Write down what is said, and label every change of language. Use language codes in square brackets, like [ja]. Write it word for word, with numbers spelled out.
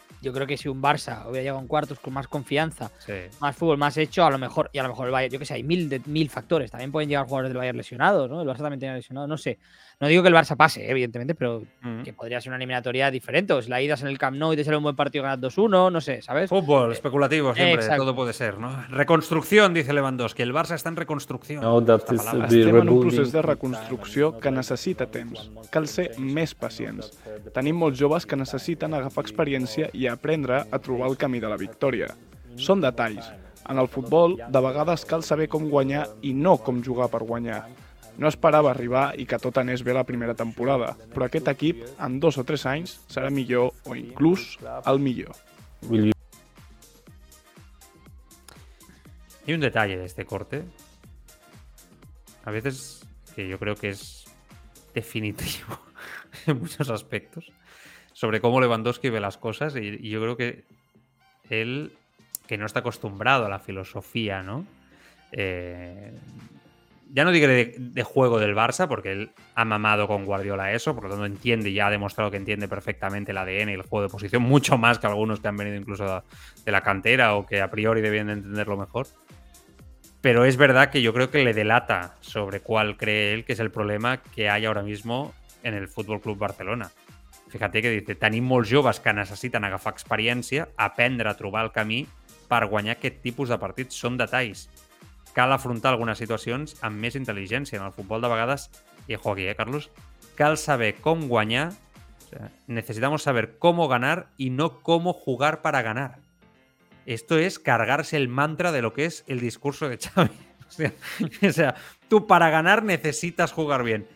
[es] yo creo que si un Barça hubiera llegado en cuartos con más confianza, sí. más fútbol, más hecho, a lo mejor, y a lo mejor el Bayern, yo que sé, hay mil, de, mil factores. También pueden llegar jugadores del Bayern lesionados, ¿no? El Barça también tenía lesionados, no sé. No digo que el Barça pase, evidentemente, pero mm. que podría ser una eliminatoria diferente. O si la idas en el Camp Nou y te sale un buen partido, ganas dos uno, no sé, ¿sabes? Fútbol, eh, especulativo siempre, exacto. Todo puede ser, ¿no? Reconstrucción, dice Lewandowski. [ca] El Barça està en reconstrucció. No, estem en un procés de reconstrucció que necessita temps. Cal ser més pacients. Tenim molts joves que necessiten agafar experiència i aprendre a trobar el camí de la victòria. Són detalls. En el futbol, de vegades cal saber com guanyar i no com jugar per guanyar. No esperava arribar i que tot anés bé la primera temporada, però aquest equip, en dos o tres anys, serà millor o inclús el millor. [es] Hay un detalle de este corte, a veces que yo creo que es definitivo en muchos aspectos, sobre cómo Lewandowski ve las cosas, y, y yo creo que él, que no está acostumbrado a la filosofía, ¿no? Eh, ya no digo de, de juego del Barça, porque él ha mamado con Guardiola eso, por lo tanto entiende y ya ha demostrado que entiende perfectamente el A D N y el juego de posición, mucho más que algunos que han venido incluso de, de la cantera o que a priori debían de entenderlo mejor. Pero es verdad que yo creo que le delata sobre cuál cree él que es el problema que hay ahora mismo en el F C Barcelona. Fíjate que dice, [ca] tenim molts joves que necessiten agafar experiència, aprendre a trobar el camí per guanyar aquest tipus de partits. Són detalls. Cal afrontar algunes situacions amb més intel·ligència. En el futbol de vegades, [es] i ojo aquí, eh, Carlos, [ca] cal saber com guanyar, [es] o sea, necesitamos saber cómo ganar y no cómo jugar para ganar. Esto es cargarse el mantra de lo que es el discurso de Xavi. O sea, o sea, tú para ganar necesitas jugar bien.